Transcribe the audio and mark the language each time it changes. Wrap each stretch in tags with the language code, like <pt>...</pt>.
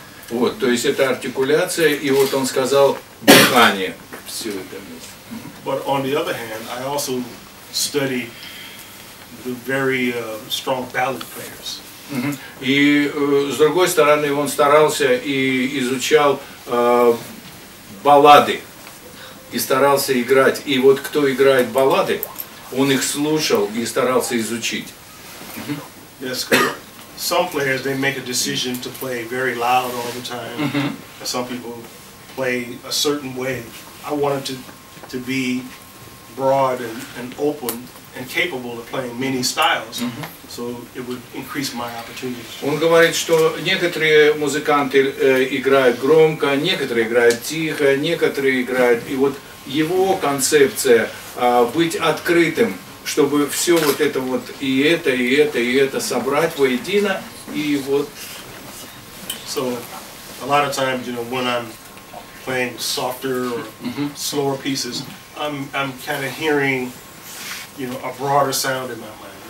<ru>Вот, то есть это артикуляция, и вот он сказал, дыхание, все это.</ru> <en>But on the other hand, I also study the very strong ballad players.</en> <ru>И с другой стороны, он старался и изучал баллады. И старался играть. И вот кто играет баллады, он их слушал и старался изучить.</ru> <en>Yes, correct. Some players, they make a decision to play very loud all the time. Some people play a certain way. I wanted to be broad and open and capable of playing many styles. So it would increase my opportunities.</en> <ru>Он говорит, что некоторые музыканты играют громко, некоторые играют тихо, некоторые играют... И вот его концепция быть открытым, чтобы все вот это вот, и это, и это, и это собрать воедино, и вот...</ru> <en>So, a lot of times, you know, when I'm playing softer or slower pieces, I'm kind of hearing, you know, a broader sound in my mind.</en>